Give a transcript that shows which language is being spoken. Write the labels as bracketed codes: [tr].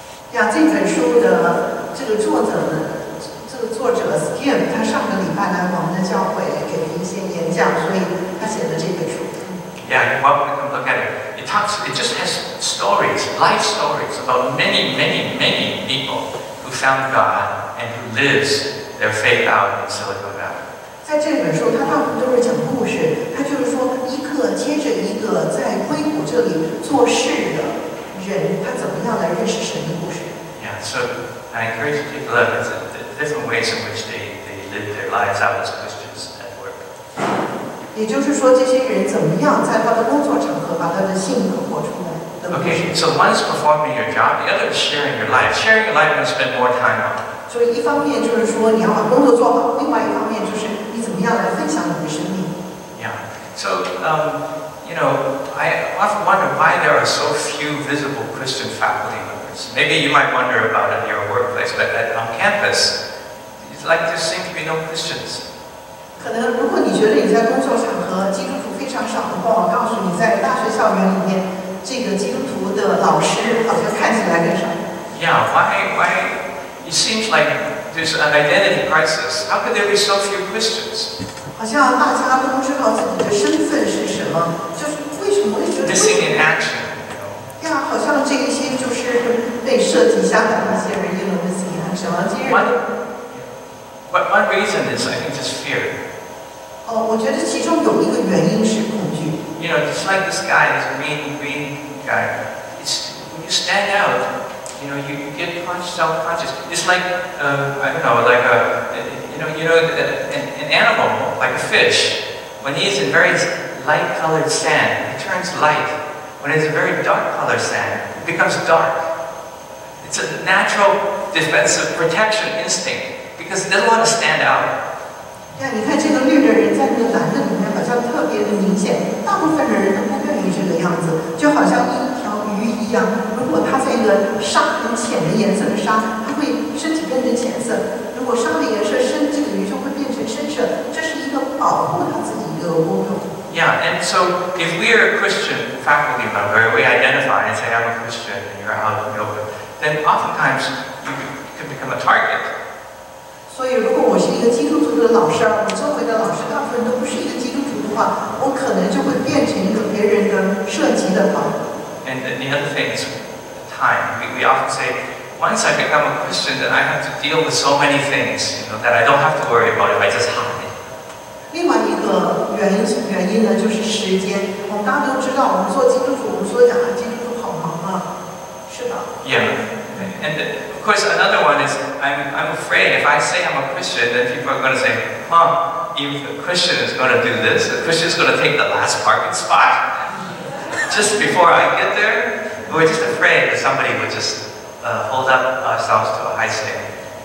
[en] Yeah, this book's [zh] 作者 Skin 他上个礼拜来我们的教会给了一些演讲，所以他写的这个书。 [en] Yeah, you're welcome to come look at it. It just has stories, life stories about many, many, many people who found God and who lives their faith out in Silicon Valley. [zh] 在这本书，他大部分都是讲故事，他就是说一个接着一个在硅谷这里做事的人，他怎么样来认识神的故事。 [en] Yeah, so I encourage you to look at it. Different ways in which they live their lives out as Christians at work. [zh] 也就是说，这些人怎么样在他的工作场合把他的信仰活出来 [en] ？Okay, so one is performing your job, the other is sharing your life. Sharing your life and spend more time on. [zh] 所以一方面就是说你要把工作做好，另外一方面就是你怎么样来分享你的生命。 [en] Yeah, so you know, I often wonder why there are so few visible Christian faculty. Maybe you might wonder about it in your workplace, but on campus, it's like there seem to be no Christians. [zh] 可能如果你觉得你在工作场合基督徒非常少的话，我告诉你，在大学校园里面，这个基督徒的老师好像看起来很少。 [en] Yeah, why? It seems like there's an identity crisis. How could there be so few Christians? [zh] 好像大家都不知道自己的身份是什么，就是为什么会 [en] missing in action. [zh] Yeah, 好像这一些就是被设计下来的一些人，因为的信仰什么今日。 [en] One reason is I think just fear. [zh] 我觉得其中有一个原因是恐惧。 [en] You know, just like this guy, this green guy. It's when you stand out, you know, you get self-conscious. It's like, I don't know, like a, you know, an animal, like a fish. When he's in very light-colored sand, he turns light. When it's a very dark color sand, it becomes dark. It's a natural defensive protection instinct because it doesn't want to stand out. Yeah, you see this [zh] 绿的人在那个蓝的里面把像特别的明显，大部分人都不愿意这个样子，就好像一条鱼一样，如果它在一个沙很浅的颜色的沙，它会身体变成浅色，如果沙的颜色深，这个鱼就会变成深色，这是一个保护它自己的功用。 [en] Yeah, and so if we are a Christian faculty member, we identify and say, I'm a Christian, and you're out of yoga, then oftentimes you could become a target. So if I'm a Christian teacher, and my teacher is not a Christian teacher, I could become a target of someone else. And then the other thing is time. We often say, once I become a Christian, then I have to deal with so many things, you know, that I don't have to worry about if I just hide. [zh] 另外一个原因呢，就是时间。我们大家都知道，我们做基督徒，我们说讲啊，基督徒好忙啊，是的。 [en] Yeah, and of course another one is I'm afraid if I say I'm a Christian, then people are going to say, huh, if a Christian is going to do this, a Christian is going to take the last parking spot just before I get there. We're just afraid that somebody would just hold up ourselves to a high standard.